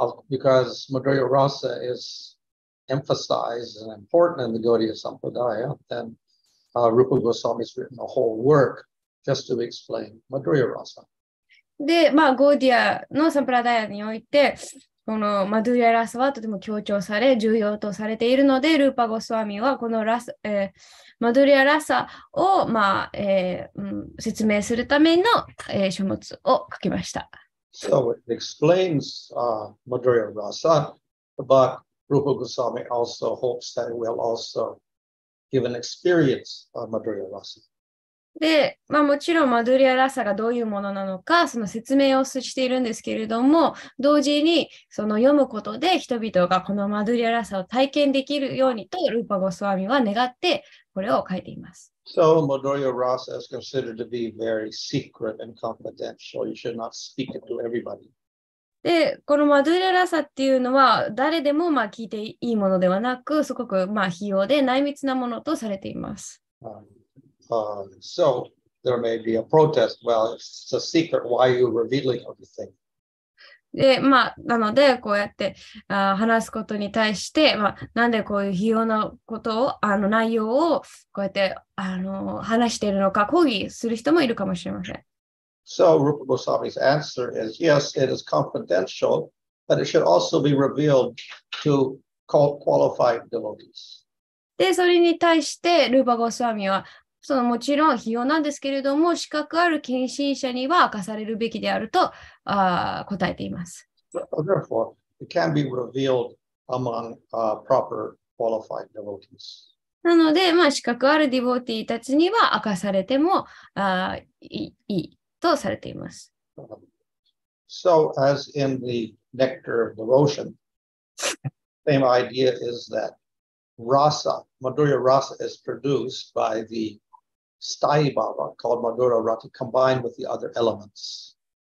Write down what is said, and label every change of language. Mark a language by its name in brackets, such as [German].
[English] Because Madhurya Rasa is emphasized and important in the Gaudiya Sampradaya, then Rupa Goswami's written a whole work just to explain Madhurya Rasa. [Japanese] で、まあ、ゴーディアのサンプラダイアにおいて、このマドゥリアラサはとても強調され、重要とされているので、ルーパゴスワミはこのラサ、マドゥリアラサを、まあ説明するための、書物を書きました。 [English] So it explains Madhurya Rasa, but Rupa Goswami also hopes that it will also give an experience of Madhurya Rasa. [Japanese] で、まあ、もちろんマドゥリアラサがどういうものなのかその説明をしているんですけれども同時にその読むことで人々がこのマドゥリアラサを体験できるようにとルーパゴスワミは願ってこれを書いています。 [English] So Madhurya Rasa is considered to be very secret and confidential. You should not speak it to everybody. [Japanese] で、このマドゥリアラサっていうのは誰でもまあ聞いていいものではなくすごくまあ秘用で内密なものとされています。 [English] So there may be a protest. Well, it's a secret. Why are you revealing everything? [Japanese] で、まあ、なのでこうやって話すことに対して、まあ、なんでこういう秘用のことを内容をこうやって話しているのか抗議する人もいるかもしれません。 [English] So Rupa Goswami's answer is yes, it is confidential, but it should also be revealed to qualified devotees. [Japanese] で、それに対してルーパ・ゴスワミはそのもちろん費用なんですけれども、資格ある献身者には明かされるべきであると答えています。 [English] Therefore, it can be revealed among proper qualified devotees. [Japanese] なので、まあ、資格あるディボーティーたちには明かされてもいいとされています。 [English] So, as in the nectar of devotion, same idea is that rasa, Madhurya rasa is produced by theスタイバーは called Madhura Rati combined with the other elements.